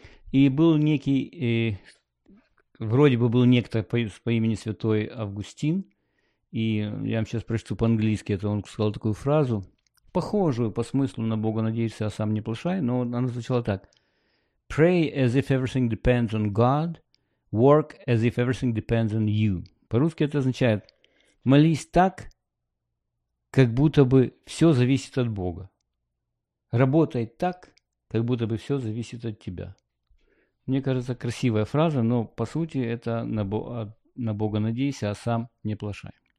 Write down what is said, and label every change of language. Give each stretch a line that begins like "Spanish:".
Russian: И был некий, вроде бы был некто по имени Святой Августин, и я вам сейчас прочту по-английски, это он сказал такую фразу, похожую по смыслу на Бога надеешься, а сам не плашай, но она звучала так.
English: Pray as if everything depends on God, work as if everything depends on you.
Russian: По-русски это означает молись так, как будто бы все зависит от Бога. Работай так, как будто бы все зависит от тебя. Мне кажется, красивая фраза, но по сути это на Бога надейся, а сам не плашай.